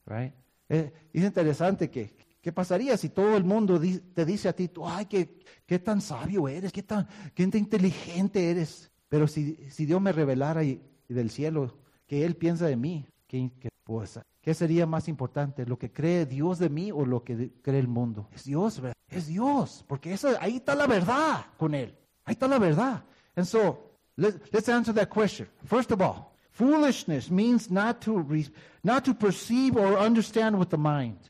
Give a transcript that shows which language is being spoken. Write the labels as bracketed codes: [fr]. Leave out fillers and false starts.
[en] Right? [es] Es interesante que, ¿qué pasaría si todo el mundo te dice a ti, ay, qué tan sabio eres, qué tan inteligente eres? Pero si Dios me revelara y del cielo que él piensa de mí, ¿qué pues, ¿qué sería más importante, lo que cree Dios de mí o lo que cree el mundo? Es Dios, ¿verdad? Es Dios, porque ahí está la verdad con él. Ahí está la verdad. [en] And so, let's answer that question. First of all, foolishness means not to perceive or understand with the mind.